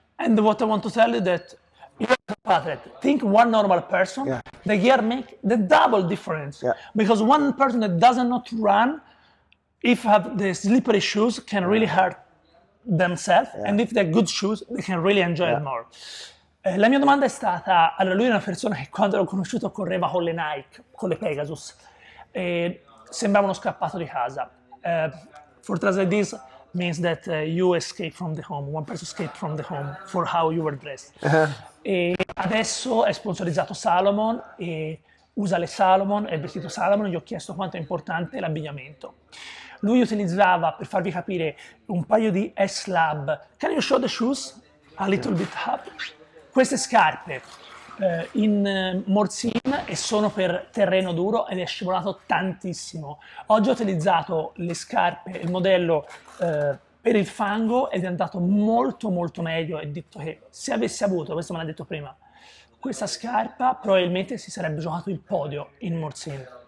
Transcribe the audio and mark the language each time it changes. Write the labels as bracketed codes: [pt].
[en] And what I want to tell you that think one normal person, the gear make the double difference. Yeah. Because one person that doesn't know to run, if have the slippery shoes, can really hurt themselves, and if they're good shoes, they can really enjoy it more. [it] La mia domanda è stata, allora lui è una persona che quando l'ho conosciuto correva con le Nike, con le Pegasus, e sembrava uno scappato di casa. [en] For translate this means that you escape from the home, one person escaped from the home for how you were dressed. [it] E adesso è sponsorizzato Salomon e usa le Salomon, è vestito Salomon, gli ho chiesto quanto è importante l'abbigliamento. Lui utilizzava, per farvi capire, un paio di S-Lab. [en] Can you show the shoes a little bit up? [it] Queste scarpe in Morsin e sono per terreno duro ed è scivolato tantissimo. Oggi ho utilizzato le scarpe, il modello per il fango ed è andato molto molto meglio. E detto che se avessi avuto, questo me l'ha detto prima, questa scarpa probabilmente si sarebbe giocato il podio in Morsin.